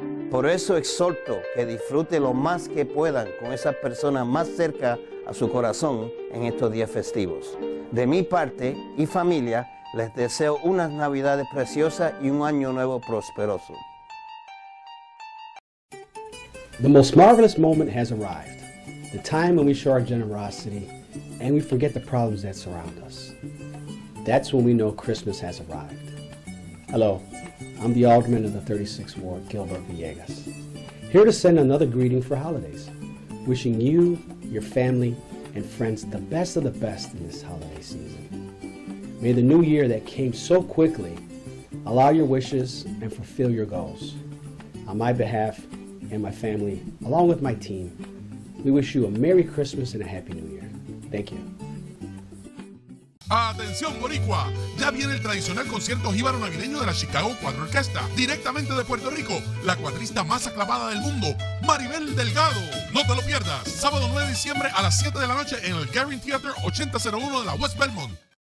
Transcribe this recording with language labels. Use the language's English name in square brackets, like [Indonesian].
[Spanish] Por eso exhorto que disfruten lo más que puedan con esa persona más cerca a su corazón en estos días festivos. De mi parte y familia, les deseo unas Navidades preciosas y un año nuevo prosperoso. [English] The most marvelous moment has arrived, the time when we show our generosity and we forget the problems that surround us. That's when we know Christmas has arrived. Hello, I'm the Alderman of the 36th Ward, Gilbert Villegas, here to send another greeting for holidays, wishing you, your family, and friends the best of the best in this holiday season. May the new year that came so quickly allow your wishes and fulfill your goals. On my behalf, and my family, along with my team, we wish you a Merry Christmas and a Happy New Year. Thank you. [Spanish] Atención Boricua, ya viene el tradicional concierto jíbaro navideño de la Chicago 4 Orquesta, directamente de Puerto Rico, la cuadrista más aclamada del mundo, Maribel Delgado. No te lo pierdas, sábado 9 de diciembre a las 7 de la noche en el Garin Theater 8001 de la West Belmont.